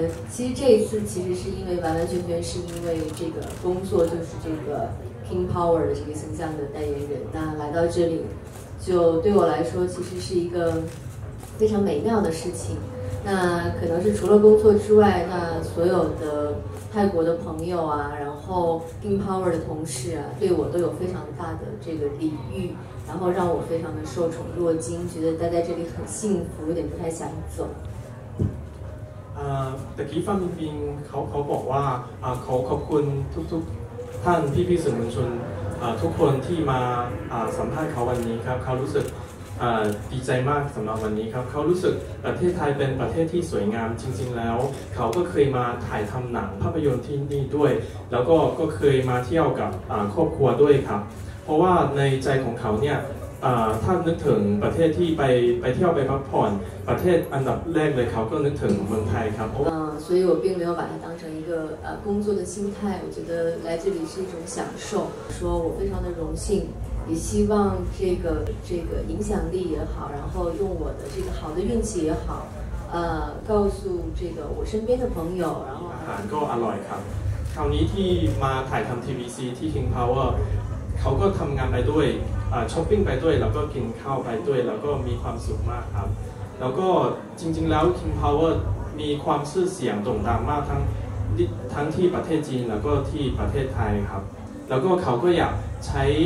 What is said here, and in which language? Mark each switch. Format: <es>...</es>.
<zh>其实这一次其实是因为完完全全是因为这个工作就是这个 King Power 的这个形象的代言人那来到这里就对我来说其实是一个非常美妙的事情那可能是除了工作之外那所有的泰国的朋友啊然后 King Power 的同事啊对我都有非常大的这个礼遇然后让我非常的受宠若惊觉得待在这里很幸福有点不太想走</zh> <th>ตะกี้ฟ้ามินปิงเขาบอกว่าเขาขอบคุณทุกท่านพี่ๆสื่อมวลชนทุกคนที่มาสัมภาษณ์เขาวันนี้ครับเขารู้สึก ดีใจมากสำหรับวันนี้ครับเขารู้สึกประเทศไทยเป็นประเทศที่สวยงามจริงๆแล้วเขาก็เคยมาถ่ายทำหนังภาพยนตร์ที่นี่ด้วยแล้วก็เคยมาเที่ยวกับครอบครัวด้วยครับเพราะว่าในใจของเขาเนี่ยถ้านึกถึงประเทศที่ไปเที่ยวไปพักผ่อนประเทศอันดับแรกเลยเขาก็นึกถึงเมืองไทยครับ</th> <zh>所以我并没有把它当成一个工作的心态我觉得来这里是一种享受说我非常的荣幸也希望这个影响力也好然后用我的这个好的运气也好告诉这个我身边的朋友然后还有</zh> <th>อร่อยครับคราวนี้ที่มาถ่ายทำ TVC ที่ King Power เขาก็ทำงานไปด้วยช้อปปิ้งไปด้วยแล้วก็กินข้าวไปด้วยแล้วก็มีความสุขมากครับแล้วก็จริงๆแล้ว King Power มีความชื่อเสียงโด่งดังมากทั้งที่ประเทศจีนแล้วก็ที่ประเทศไทยครับแล้วก็เขาก็อยากใช้</th>